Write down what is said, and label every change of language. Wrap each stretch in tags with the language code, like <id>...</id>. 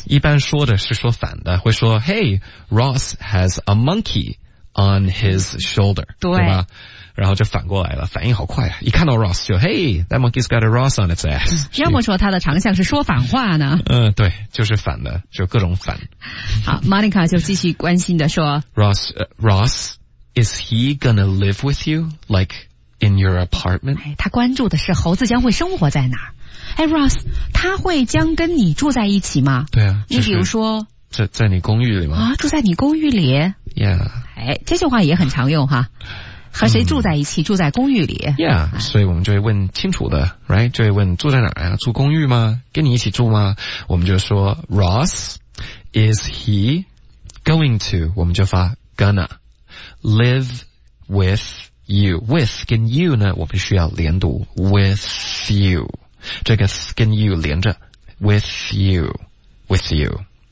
<zh>对，一般说的是说反的，会说</zh> <en>Hey， Ross has a monkey on his shoulder，</en> <zh>对吧？然后就反过来了，反应好快啊！一看到</zh> <en>Ross 就 Hey， that monkey's got a Ross on its ass。</en> <zh>要么说他的长相是说反话呢？对，就是反的，就各种反。好 ，Monica 就继续关心的说</zh> <en>，Ross， is he gonna live with you like in your apartment？</en> <zh>哎，他关注的是猴子将会生活在哪儿？哎 ，Ross， 他会将跟你住在一起吗？对啊，你比如说，在你公寓里吗？啊，住在你公寓里</zh> <en>？Yeah。</en> <zh>哎，这句话也很常用哈。和谁住在一起、住在公寓里 yeah， 所以我们就会问清楚的 right， 就会问住在哪儿啊，住公寓吗，跟你一起住吗，我们就说</zh> <en>Ross is he going to，</en> <zh>我们就发</zh> <en>gonna live with you，</en> <zh>with 跟 you 呢我们需要连读 with you， 这个 跟 you 连着 with you， with you，</zh>